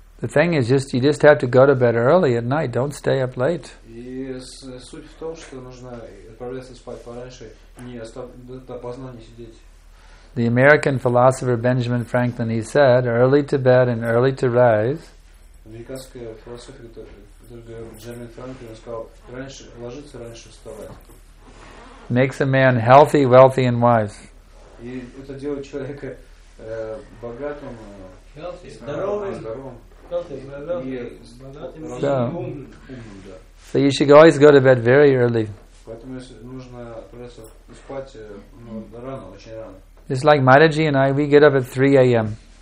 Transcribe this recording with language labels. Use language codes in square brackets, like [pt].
[en] The thing is, you just have to go to bed early at night. Don't stay up late. [ru] И суть в том, что нужно отправляться спать пораньше, не допоздна не сидеть. [en] The American philosopher Benjamin Franklin, he said, early to bed and early to rise. [ru] Американский философ Бенджамин Франклин сказал, раньше ложиться, раньше вставать. [en] Makes a man healthy, wealthy, and wise. [ru] И это делает человека богатым, здоровым. [en] So you should always go to bed very early. It's like Mataji and I, we get up at 3 a.m.